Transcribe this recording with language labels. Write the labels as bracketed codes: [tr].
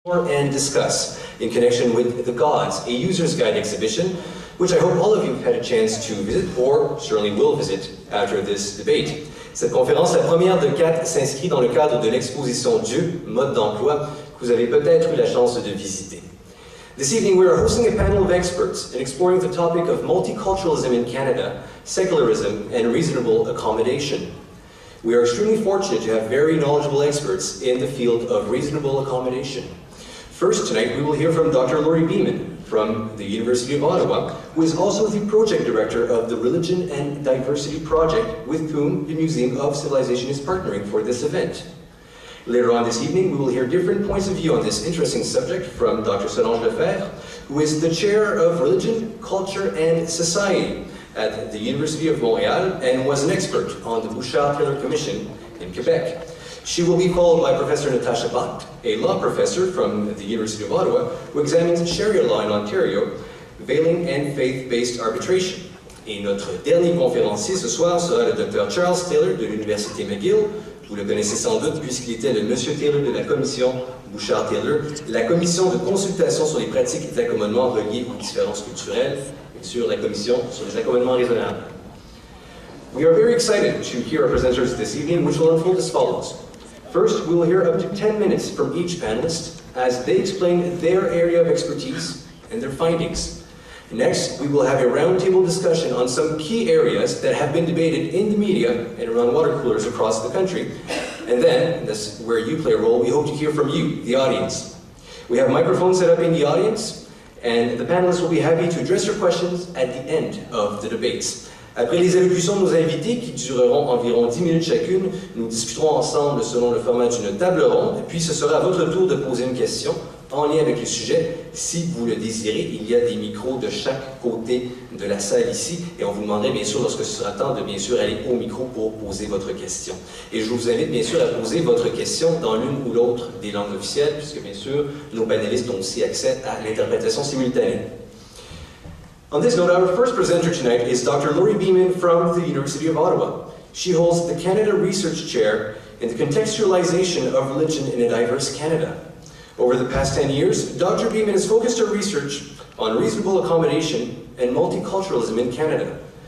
[en] And discuss in connection with The Gods, a User's Guide exhibition, which I hope all of you have had a chance to visit, or surely will visit, after this debate. [fr] Cette conférence, la première de quatre, s'inscrit dans le cadre de l'exposition Dieu, mode d'emploi, que vous avez peut-être eu la chance de visiter. [en] This evening we are hosting a panel of experts in exploring the topic of multiculturalism in Canada, secularism, and reasonable accommodation. We are extremely fortunate to have very knowledgeable experts in the field of reasonable accommodation. First tonight, we will hear from Dr. Laurie Beaman from the University of Ottawa, who is also the project director of the Religion and Diversity Project, with whom the Museum of Civilization is partnering for this event. Later on this evening, we will hear different points of view on this interesting subject from Dr. Solange Lefebvre, who is the chair of Religion, Culture and Society at the University of Montreal and was an expert on the Bouchard-Taylor Commission in Quebec. She will be followed by Professor Natasha Bott, a law professor from the University of Ottawa, who examines Sharia law in Ontario, veiling and faith-based arbitration. [fr] Et notre dernier conférencier ce soir sera le Dr. Charles Taylor de l'Université McGill. Vous le connaissez sans doute puisqu'il était le Monsieur Taylor de la Commission Bouchard-Taylor, la commission de consultation sur les pratiques d'accommodement reliées aux différences culturelles, et sur la commission sur les accommodements raisonnables. [en] We are very excited to hear our presenters this evening, which will unfold as follows. First, we will hear up to 10 minutes from each panelist as they explain their area of expertise and their findings. Next, we will have a roundtable discussion on some key areas that have been debated in the media and around water coolers across the country. And then, and this is where you play a role, we hope to hear from you, the audience. We have microphones set up in the audience, and the panelists will be happy to address your questions at the end of the debates. [fr] Après les allocutions de nos invités, qui dureront environ 10 minutes chacune, nous discuterons ensemble selon le format d'une table ronde, puis ce sera à votre tour de poser une question en lien avec le sujet. Si vous le désirez, il y a des micros de chaque côté de la salle ici, et on vous demanderait bien sûr, lorsque ce sera temps, de bien sûr aller au micro pour poser votre question. Et je vous invite bien sûr à poser votre question dans l'une ou l'autre des langues officielles, puisque bien sûr, nos panélistes ont aussi accès à l'interprétation simultanée. [en] On this note, our first presenter tonight is Dr. Laurie Beaman from the University of Ottawa. She holds the Canada Research Chair in the Contextualization of Religion in a Diverse Canada. Over the past 10 years, Dr. Beaman has focused her research on reasonable accommodation and multiculturalism in Canada.